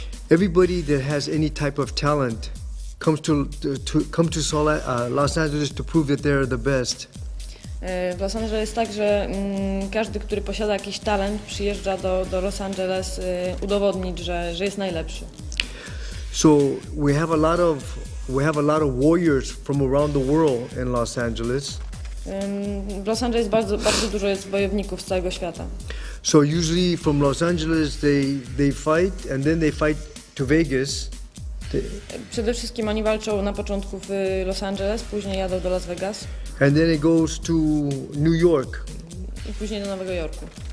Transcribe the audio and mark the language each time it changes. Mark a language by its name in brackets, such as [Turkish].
[English] Everybody that has any type of talent comes to Los Angeles to prove that they're the best. [Polish] W Los Angeles jest tak, że każdy, który posiada jakiś talent, przyjeżdża do Los Angeles udowodnić, że jest najlepszy. [English] So we have a lot of warriors from around the world in Los Angeles. [Polish] W Los Angeles bardzo dużo jest wojowników z całego świata. [English] So usually from Los Angeles they fight and then they fight to Vegas. [Polish] Przede wszystkim oni walczą na początku w Los Angeles, później jadą do Las Vegas. [English] And then it goes to New York. [Polish] I później do Nowego Jorku.